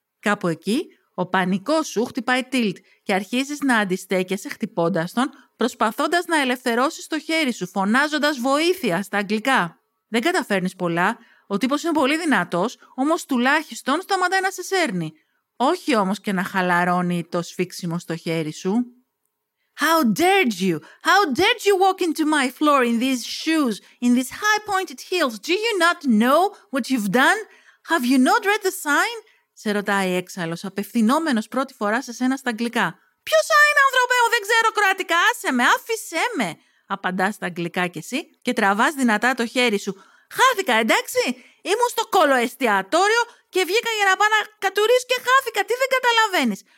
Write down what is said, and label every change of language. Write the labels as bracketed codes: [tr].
[el] Κάπου εκεί, ο πανικός σου χτυπάει tilt και αρχίζεις να αντιστέκεσαι χτυπώντας τον, προσπαθώντας να ελευθερώσεις το χέρι σου, φωνάζοντας βοήθεια στα αγγλικά. Δεν καταφέρνεις πολλά, ο τύπος είναι πολύ δυνατός, όμως τουλάχιστον σταματάει να σε σέρνει. Όχι όμως και να χαλαρώνει το σφίξιμο στο χέρι σου. [en] How dared you walk into my floor in these shoes, in these high pointed heels, do you not know what you've done? Have you not read the sign? [el] Σε ρωτάει έξαλλος, απευθυνόμενος πρώτη φορά σε σένα στα αγγλικά. «Ποιος είναι, άνθρωπε, δεν ξέρω κροατικά, άσε με, άφησέ με», απαντάς στα αγγλικά κι εσύ και τραβάς δυνατά το χέρι σου. «Χάθηκα, εντάξει, ήμουν στο κολοεστιατόριο και βγήκα για να πάω να κατουρίσω και χάθηκα, τι δεν καταλαβαίνεις.